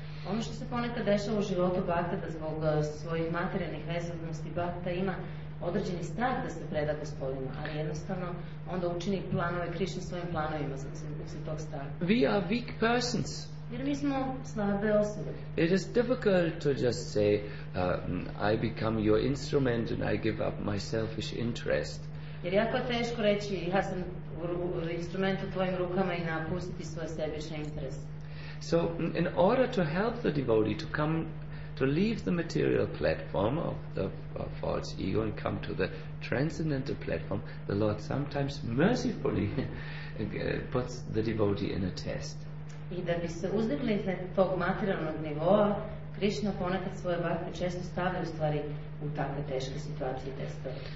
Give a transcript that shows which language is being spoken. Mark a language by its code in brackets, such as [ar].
[sr] Ono što se ponekad dešava u životu bhakte, da zbog svojih materijalnih vezanosti bhakta ima određeni strah da se preda gospodinu, ali jednostavno onda učini planove Krishna svojim planovima za tog straha. [en] We are weak persons. [sr] Jer mi smo slabe osobe. [en] It is difficult to just say I become your instrument and I give up my selfish interest. [sr] Jer jako je teško reći ja sam instrument u tvojim rukama i napustiti svoje sebične interese. [en] So in order to help the devotee to come to leave the material platform of the false ego and come to the transcendental platform, the Lord sometimes mercifully puts the devotee in a test. [sr] I da bi se uzdigli iz tog materijalnog nivoa, Krishna ponekad svoje bhakte često stavlja u stvari u takve teške situacije i testove.